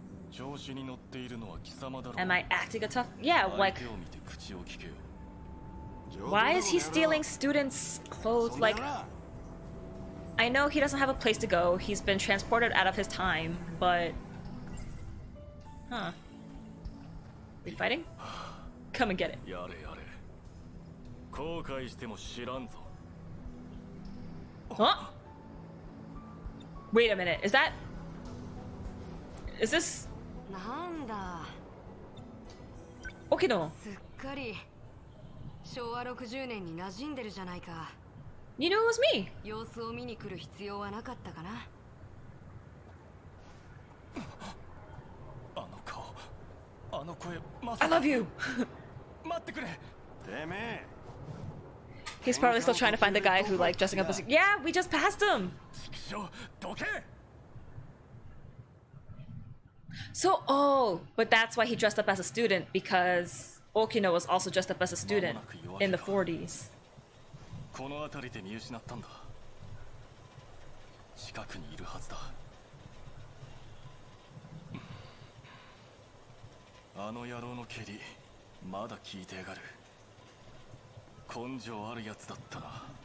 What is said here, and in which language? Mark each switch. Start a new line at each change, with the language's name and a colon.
Japanese: 調子に乗っているのは貴様だろう。
English: Am I acting a tough? Yeah, like.
Japanese: 相手を見て口を聞けよ。
English: Why is he stealing students' clothes? Like, I know he doesn't have a place to go. He's been transported out of his time, but, huh? We fighting? Come and get it.
Japanese: やれやれ。後悔しても知らんぞ。
English: Huh? Wait a minute. Is that? Is this?
Japanese: なんだ。オケノ。すっかり。昭和60年に馴染んでるじゃないか。
English: You know it was me.
Japanese: 様子を見に来る必要はなかったかな。あの顔、あの声、まさか。
English: I love you.
Japanese: 待ってくれ。てめえ。
English: He's probably still trying to find the guy who like dressing up as. Yeah, we just passed him.
Japanese: どけ。
English: So, oh, but that's why he dressed up as a student because. Okino was also dressed up as a student in the 40s.
Japanese: この辺りで見失ったんだ。近くにいるはずだ。あの野郎の蹴り、まだ効いてやがる。根性あるやつだったな。